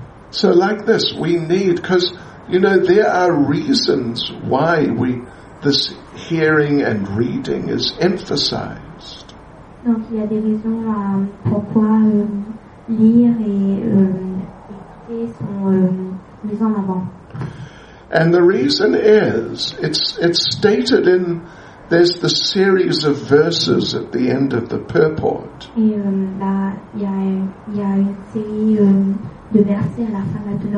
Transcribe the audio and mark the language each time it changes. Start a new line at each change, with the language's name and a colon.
English: So like this, we need, because, you know, there are reasons why this hearing and reading is emphasized.
French: Donc, il y a des raisons pourquoi lire et écouter sont mises en avant.
English: And the reason is, it's stated in, there's the series of verses at the end of the purport.
French: Et là, il y a une série de versets à la fin de le